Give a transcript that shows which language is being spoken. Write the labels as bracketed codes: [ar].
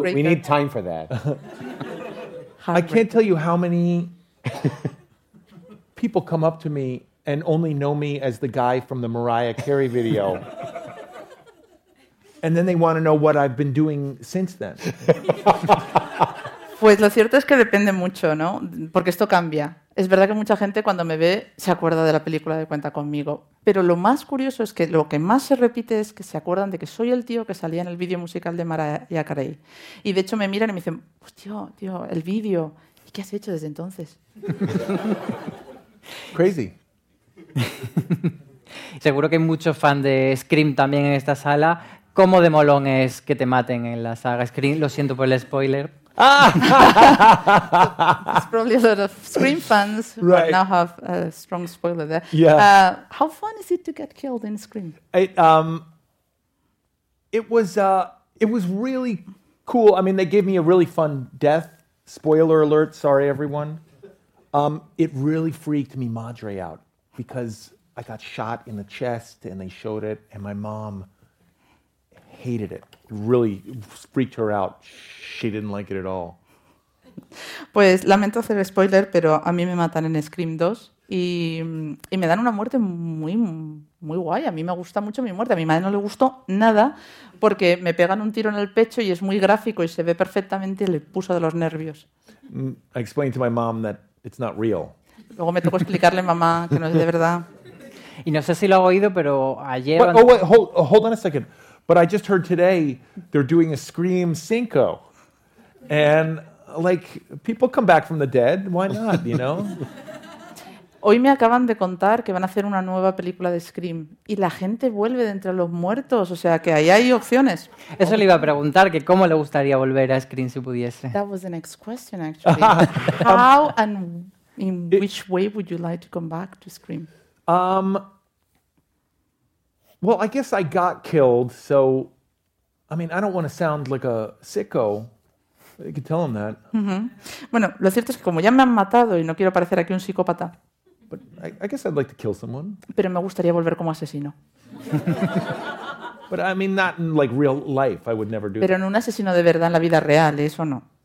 [en] We need time for that. I can't tell you how many people come up to me and only know me as the guy from the Mariah Carey video. And then they want to know what I've been doing since then. [es] Pues lo cierto es que depende mucho, ¿no? Porque esto cambia. Es verdad que mucha gente cuando me ve se acuerda de la película de Cuenta conmigo. Pero lo más curioso es que lo que más se repite es que se acuerdan de que soy el tío que salía en el vídeo musical de Mariah Carey. Y de hecho me miran y me dicen, pues tío, el vídeo. ¿Y qué has hecho desde entonces? [en] Crazy. [es] Seguro que hay muchos fans de Scream también en esta sala. ¿Cómo de molón es que te maten en la saga Scream? Lo siento por el spoiler. [en] There's probably a lot of Scream fans who right. now have a strong spoiler there. Yeah. How fun is it to get killed in Scream? It was really cool. I mean, they gave me a really fun death. Spoiler alert, sorry everyone. It really freaked me madre out because I got shot in the chest and they showed it and my mom hated it. Really freaked her out. She didn't like it at all. [es] Pues lamento hacer spoiler, pero a mí me matan en Scream 2 y me dan una muerte muy muy guay. A mí me gusta mucho mi muerte. A mi madre no le gustó nada porque me pegan un tiro en el pecho y es muy gráfico y se ve perfectamente y le puso de los nervios. [en] I explained to my mom that it's not real. [es] Luego me tocó explicarle a mamá que no es de verdad. Y no sé si lo ha oído, pero ayer... [en] But, oh, wait, hold on a second. But I just heard today they're doing a Scream Cinco. And, like, people come back from the dead. Why not, you know? [es] Hoy me acaban de contar que van a hacer una nueva película de Scream. Y la gente vuelve de entre los muertos. O sea, que ahí hay opciones. Eso le iba a preguntar, que cómo le gustaría volver a Scream si pudiese. [en] That was the next question, actually. How and in which way would you like to come back to Scream? Well, I guess I got killed, so, I mean, I don't want to sound like a sicko. You could tell him that. Mm-hmm. [es] Bueno, lo cierto es que como ya me han matado y no quiero parecer aquí un psicópata. [en] But I guess I'd like to kill someone. [es] Pero me gustaría volver como asesino. [en] But I mean, not in like real life. I would never do [es] Pero [en] that. [es] Pero en un asesino de verdad en la vida real, eso no.